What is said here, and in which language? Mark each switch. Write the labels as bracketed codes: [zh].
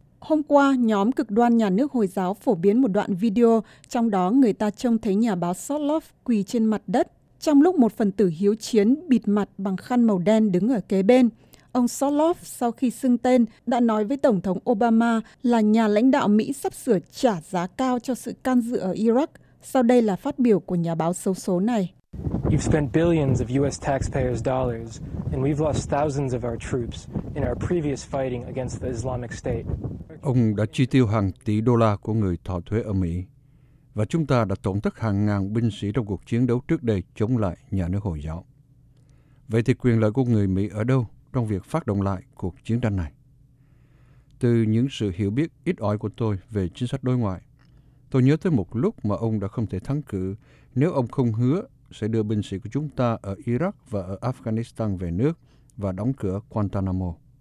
[vi] Hôm qua, nhóm cực đoan nhà nước Hồi giáo phổ biến một đoạn video trong đó người ta trông thấy nhà báo Sutloff quỳ trên mặt đất trong lúc một phần tử hiếu chiến bịt mặt bằng khăn màu đen đứng ở kế bên. Ông Sutloff sau khi xưng tên đã nói với Tổng thống Obama là nhà lãnh đạo Mỹ sắp sửa trả giá cao cho sự can dự ở Iraq. Sau đây là phát biểu của nhà báo xấu số này. [en] You've spent billions of US taxpayers' dollars and we've lost thousands of our troops in our previous fighting against the Islamic State. [vi] Ông đã chi tiêu hàng tỷ đô la của người thọ thuế ở Mỹ và chúng ta đã tổn thất hàng ngàn binh sĩ trong cuộc chiến đấu trước đây chống lại nhà nước Hồi giáo. Vậy thì quyền lợi của người Mỹ ở đâu trong việc phát động lại cuộc chiến tranh này? Từ những sự hiểu biết ít ỏi của tôi về chính sách đối ngoại, tôi nhớ tới một lúc mà ông đã không thể thắng cử nếu ông không hứa sẽ đưa binh sĩ của chúng ta ở Iraq và ở Afghanistan về nước và đóng cửa Guantanamo.